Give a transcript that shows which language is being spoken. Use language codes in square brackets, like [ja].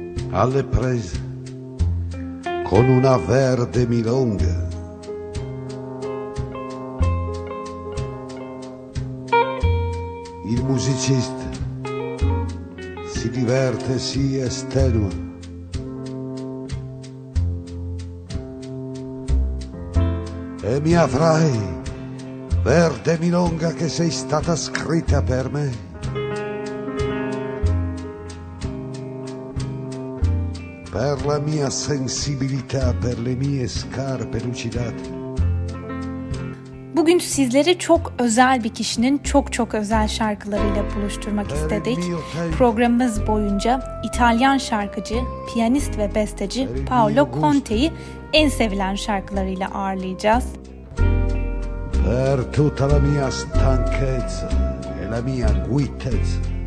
[it] Alle prese con una verde milonga il musicista si diverte, si estenua e mi avrai verde milonga che sei stata scritta per me. Per la mia sensibilità, per le mie scarpe lucidate. [tr] Bugün sizleri çok özel bir kişinin çok çok özel şarkılarıyla buluşturmak istedik. Programımız boyunca İtalyan şarkıcı, piyanist ve besteci Paolo Conte'yi en sevilen şarkılarıyla ağırlayacağız. [it] Per tutta la mia stanchezza e la mia guitezza.